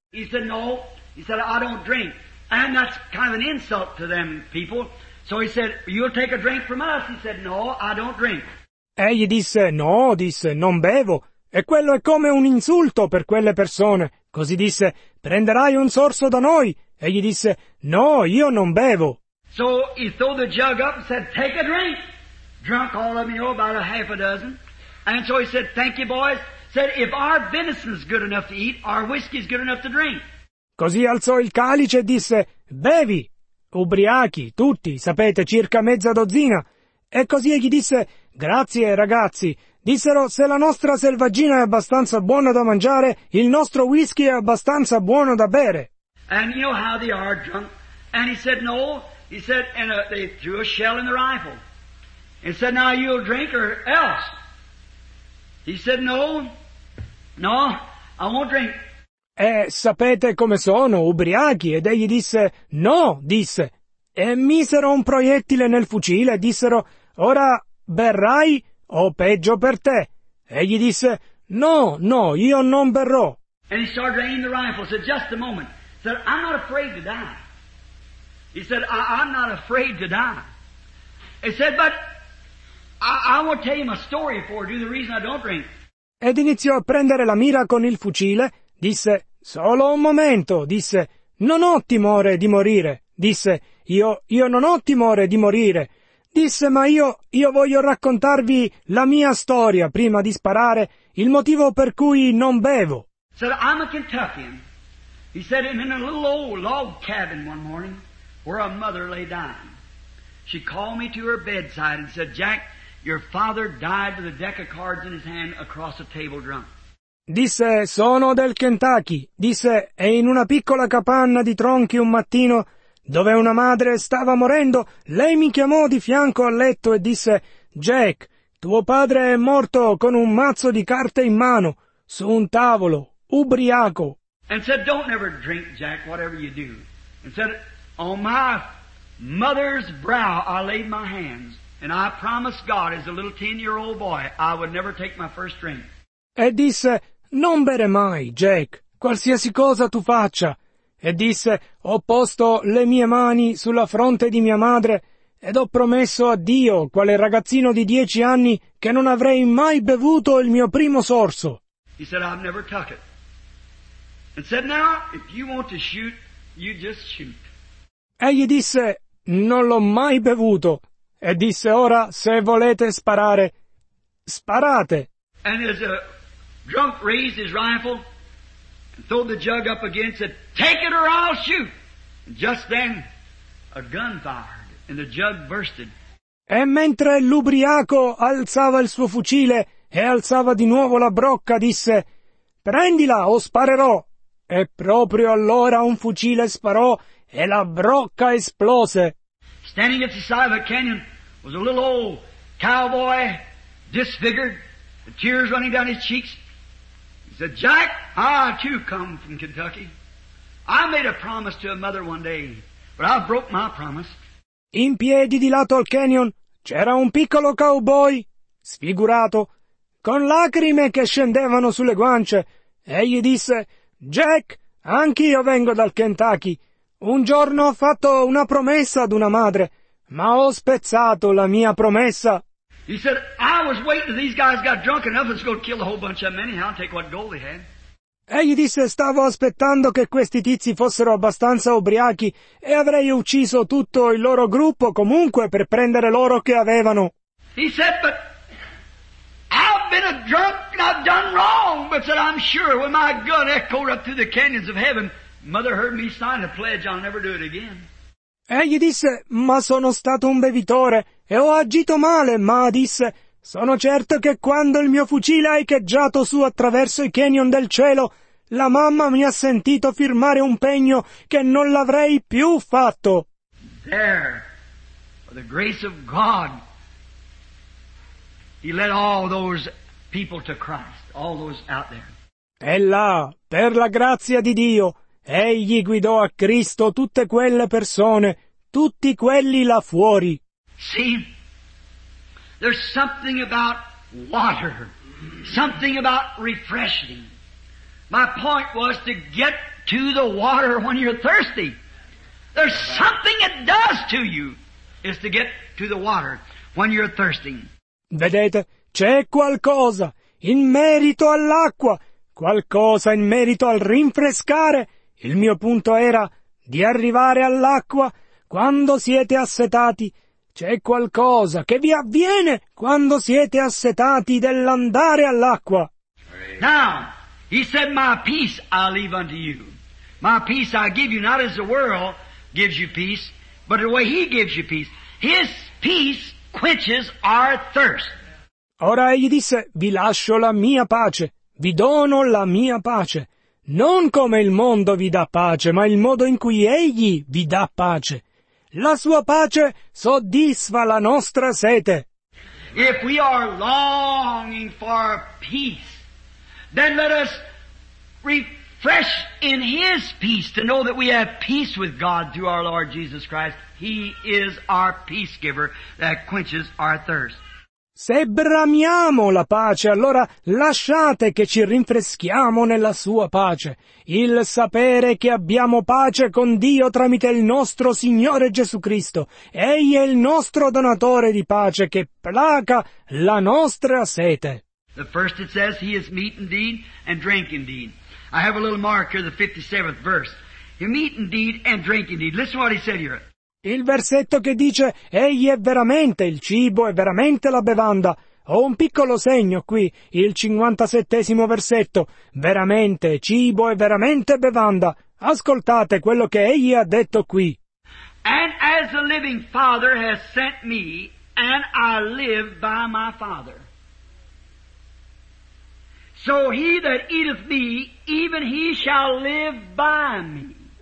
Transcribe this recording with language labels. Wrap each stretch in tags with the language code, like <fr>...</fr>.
<en>He said no. He said I don't drink. And that's kind of an insult to them people. So he said "You'll take a drink from us." He said no, I don't drink.</en> <it>Egli disse "No, disse non bevo." E quello è come un insulto per quelle persone. Così disse, "Prenderai un sorso da noi?" E gli disse, "No, io non bevo."</it> <en>So he threw the jug up and said, "Take a drink." Drunk all of them, about a half a dozen. And so he said, "Thank you, boys." Said, "If our venison's good enough to eat, our whiskey's good enough to drink."</en> <it>Così alzò il calice e disse, "Bevi." Ubriachi, tutti, sapete, circa mezza dozzina. E così egli disse, "Grazie, ragazzi." Dissero, se la nostra selvaggina è abbastanza buona da mangiare, il nostro whisky è abbastanza buono da bere.</it> <en>And you know how they are drunk. And he said, no. He said, and they threw a shell in the rifle. And said, now you'll drink or else. He said, no. No, I won't drink.</en> <it>E sapete come sono, ubriachi. Ed egli disse, no, disse. E misero un proiettile nel fucile e dissero, ora berrai o peggio per te. Egli disse, no, no, io non berrò.</it> <en>And he started raining the rifle, said, just a moment. He said, I'm not afraid to die. He said, I'm not afraid to die. He said, but I won't tell you my story for you, the reason I don't drink.</en> <it>Ed iniziò a prendere la mira con il fucile, disse, solo un momento, disse, non ho timore di morire, disse, Io non ho timore di morire. Disse, ma io voglio raccontarvi la mia storia prima di sparare, il motivo per cui non bevo.</it> <en>Said, I'm a Kentuckian. He said, in a little old log cabin one morning where a mother lay dying. She called me to her bedside and said, Jack, your father died with a deck of cards in his hand across a table drunk.</en> <it>Disse, sono del Kentucky. Disse, e in una piccola capanna di tronchi un mattino, dove una madre stava morendo, lei mi chiamò di fianco al letto e disse, Jack, tuo padre è morto con un mazzo di carte in mano, su un tavolo, ubriaco.</it> <en>And said, don't ever drink, Jack, whatever you do. And said, on my mother's brow I laid my hands, and I promised God as a little 10-year-old boy I would never take my first drink.</en> <it>E disse, non bere mai, Jack, qualsiasi cosa tu faccia. E disse, ho posto le mie mani sulla fronte di mia madre ed ho promesso a Dio, quale ragazzino di 10 anni, che non avrei mai bevuto il mio primo sorso.</it> <en>He said, I've never took it. And said, now, if you want to shoot, you just shoot.</en> <it>Egli disse, non l'ho mai bevuto. E disse, ora, se volete sparare, sparate.</it> <en>And as a drunk raised his rifle, throw the jug up again, said, take it or I'll shoot. Just then, a gun fired, and the jug bursted.</en> <it>E mentre l'ubriaco alzava il suo fucile e alzava di nuovo la brocca, disse, prendila o sparerò. E proprio allora un fucile sparò e la brocca esplose.</it> <en>Standing at the side of a canyon was a little old cowboy, disfigured, the tears running down his cheeks. He said, Jack, I too come from Kentucky. I made a promise to a mother one day, but I broke my promise.</en> <it>In piedi di lato al canyon c'era un piccolo cowboy, sfigurato, con lacrime che scendevano sulle guance. Egli disse, Jack, anch'io vengo dal Kentucky. Un giorno ho fatto una promessa ad una madre, ma ho spezzato la mia promessa.</it> <en>He said, I was waiting till these guys got drunk enough and was going to kill a whole bunch of them anyhow and take what gold they had.</en> <it>Egli disse, stavo aspettando che questi tizi fossero abbastanza ubriachi e avrei ucciso tutto il loro gruppo comunque per prendere l'oro che avevano.</it> <en>He said, but I've been a drunk and I've done wrong. But said, I'm sure when my gun echoed up through the canyons of heaven, mother heard me sign a pledge I'll never do it again.</en> <it>Egli disse, ma sono stato un bevitore e ho agito male, ma disse, sono certo che quando il mio fucile ha echeggiato su attraverso i canyon del cielo, la mamma mi ha sentito firmare un pegno che non l'avrei più fatto.</it> <en>There, by the grace of God, he led all those people to Christ, all those out there.</en> <it>E là, per la grazia di Dio, egli guidò a Cristo tutte quelle persone, tutti quelli là fuori.</it> <en>See, there's something about water, something about refreshing. My point was to get to the water when you're thirsty. There's something it does to you, is to get to the water when you're thirsting.</en> <it>Vedete, c'è qualcosa in merito all'acqua, qualcosa in merito al rinfrescare. Il mio punto era di arrivare all'acqua quando siete assetati. C'è qualcosa che vi avviene quando siete assetati dell'andare all'acqua.</it> <en>Now, he said, my peace I leave unto you. My peace I give you, not as the world gives you peace, but the way he gives you peace. His peace quenches our thirst.</en> <it>Ora egli disse, vi lascio la mia pace, vi dono la mia pace. Non come il mondo vi dà pace, ma il modo in cui egli vi dà pace. La sua pace soddisfa la nostra sete.</it> <en>If we are longing for peace, then let us refresh in his peace to know that we have peace with God through our Lord Jesus Christ. He is our peace giver that quenches our thirst.</en> <it>Se bramiamo la pace, allora lasciate che ci rinfreschiamo nella sua pace. Il sapere che abbiamo pace con Dio tramite il nostro Signore Gesù Cristo. Egli è il nostro donatore di pace che placa la nostra sete.</it> <en>The first it says, he is meat indeed and drink indeed. I have a little mark here, the 57th verse. He meat indeed and drink indeed. Listen to what he said here.</en> <it>Il versetto che dice «Egli è veramente il cibo, è veramente la bevanda». Ho un piccolo segno qui, il 57° versetto. «Veramente cibo e veramente bevanda». Ascoltate quello che egli ha detto qui.</it> <en>«And as the living Father has sent me, and I live by my Father, so he that eateth me, even he shall live by me».</en>